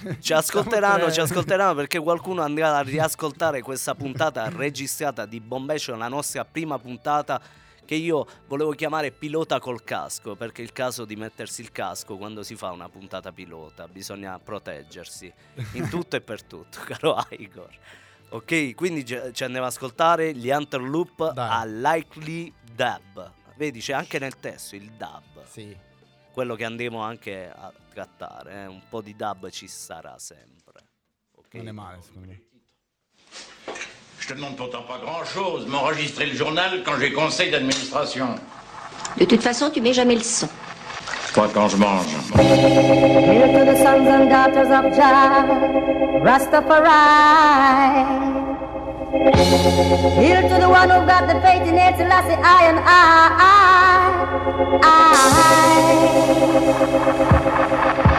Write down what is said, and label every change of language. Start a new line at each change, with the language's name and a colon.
Italian: Ci ascolteranno, ci ascolteranno, perché qualcuno andrà a riascoltare questa puntata registrata di Bombation, la nostra prima puntata, che io volevo chiamare pilota col casco, perché è il caso di mettersi il casco quando si fa una puntata pilota, bisogna proteggersi in tutto e per tutto, caro Igor. Ok, quindi ci andiamo ad ascoltare gli Antelope a Likely Dub. Vedi, c'è anche nel testo il dub. Sì. Quello che andremo anche a trattare, eh? Un po' di dub ci sarà sempre. Okay? Non è male, secondo me.
French: Je te demande pourtant pas grand chose, m'enregistrer le journal quand j'ai conseil d'administration. De toute façon, tu mets jamais le son. Pas quand je mange.
English: Hail to the sons and daughters of Jah, Rastafari. Hail to the one who got the faith in it, Selassie, I and I.